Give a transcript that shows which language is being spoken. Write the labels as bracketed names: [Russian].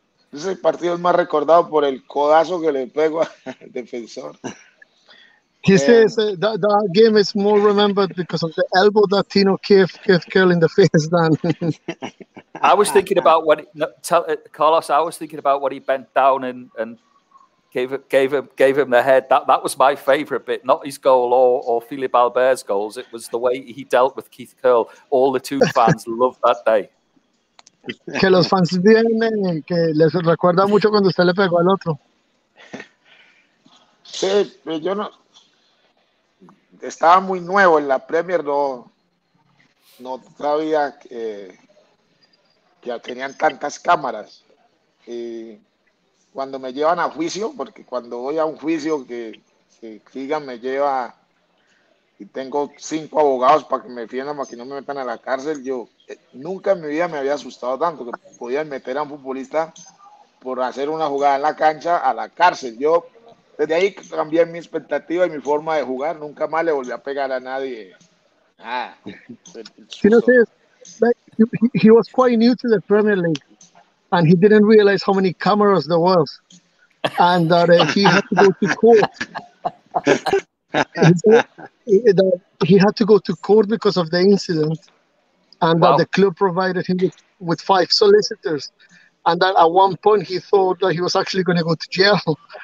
[Spanish] Ese partido es más recordado por el codazo que le pego al defensor. [English] He says that game is more remembered because of the elbow that Tino gave Curl in the face. Than I was thinking about when Carlos, I was thinking about when he bent down and gave him the head. That was my favourite bit, not his goal or Philippe Albert's goals. It was the way he dealt with Keith Curl. All the Toon fans loved that day. [Spanish] Que los fans vienen, que les recuerda mucho cuando usted le pegó al otro. Sí, yo no estaba muy nuevo en la Premier, no sabía que tenían tantas cámaras. Y cuando me llevan a juicio, porque cuando voy a un juicio que digan me lleva y tengo 5 abogados para que me defiendan, para que no me metan a la cárcel, yo nunca en mi vida me había asustado tanto que podían meter a un futbolista por hacer una jugada en la cancha a la cárcel. Yo desde ahí cambié mi expectativa y mi forma de jugar. Nunca más le volví a pegar a nadie. Ah, [English] he was quite new to the Premier League and he didn't realize how many cameras there was and that he had to go to court. He had to go to court because of the incident and that the club provided him with 5 solicitors and that at one point he thought that he was actually going to go to jail.